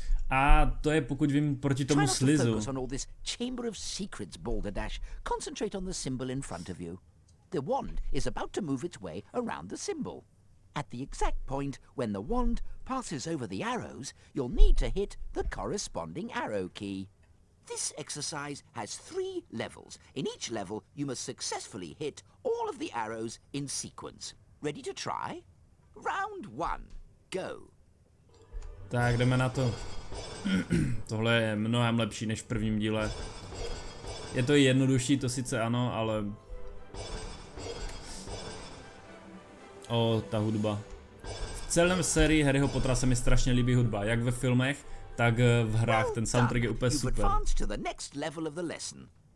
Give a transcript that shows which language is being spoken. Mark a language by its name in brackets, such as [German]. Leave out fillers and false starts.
[Czech] A to je, pokud vím, proti tomu slizu. [English] Try not to focus on all this chamber of secrets, Balderdash. Concentrate on the symbol in front of you. The wand is about to move its way around the symbol. At the exact point when the wand passes over the arrows, you'll need to hit the corresponding arrow key. This exercise has three levels. In each level, you must successfully hit all of the arrows in sequence. Ready to try? Round one, go. [Czech] Tak, jdeme na to. Tohle je mnohem lepší než v prvním díle. Je to jednodušší, to sice ano, ale... O, ta hudba. V celém sérii Harryho Pottera se mi strašně líbí hudba, jak ve filmech, tak v hrách. Ten soundtrack je úplně super. [English] You advance to the next level of the lesson.